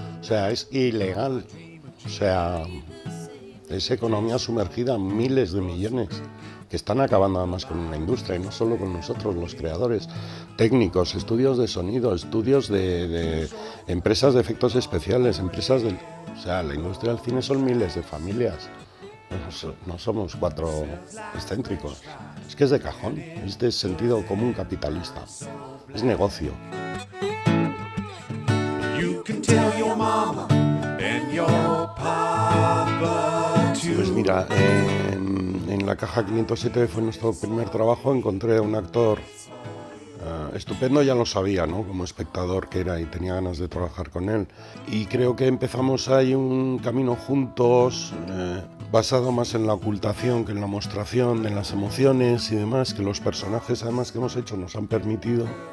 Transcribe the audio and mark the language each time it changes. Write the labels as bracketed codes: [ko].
[es] O sea, es ilegal. O sea, es economía sumergida en miles de millones que están acabando además con una industria, y no solo con nosotros, los creadores, técnicos, estudios de sonido, estudios de empresas de efectos especiales, empresas del... O sea, la industria del cine son miles de familias. No somos cuatro excéntricos. Es que es de cajón, es de sentido común capitalista. Es negocio. [en] You can tell your mama and your papa. [es] Pues mira, en la caja 507 fue nuestro primer trabajo. Encontré a un actor estupendo, ya lo sabía, ¿no? Como espectador que era, y tenía ganas de trabajar con él. Y creo que empezamos ahí un camino juntos, basado más en la ocultación que en la mostración de las emociones y demás, que los personajes además que hemos hecho nos han permitido.